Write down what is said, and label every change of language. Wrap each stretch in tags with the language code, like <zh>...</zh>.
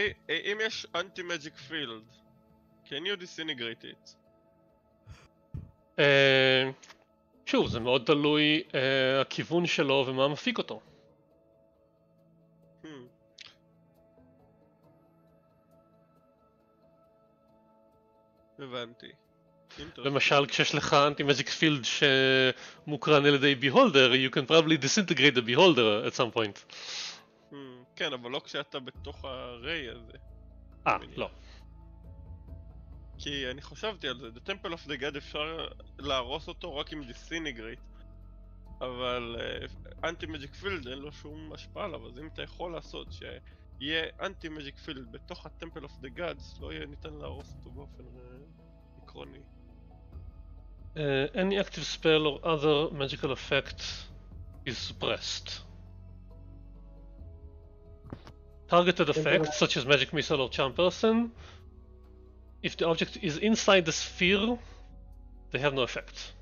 <he>אם יש</he> <en>anti-magic field, can you disintegrate it?</en> <he>שוב, זה מאוד תלוי הכיוון שלו ומה מפיק אותו. הבנתי. למשל, כשיש לך anti-magic field שמוקרן על ידי beholder,</he> <en>you can probably disintegrate the beholder at some point.</en> <he>כן, אבל לא כשאתה בתוך הרי הזה. לא. כי אני חשבתי על זה, the temple of the god אפשר להרוס אותו רק עם disintegrate, אבל anti-magic field אין לו שום השפעה עליו, אז אם אתה יכול לעשות שיהיה anti-magic field בתוך the temple of the gods, לא יהיה ניתן להרוס אותו באופן עקרוני.</he> <en>Any active spell or other magical effect is suppressed. Targeted effect, such as magic missile or charm person, if the object is inside the sphere, they have no effect.</en>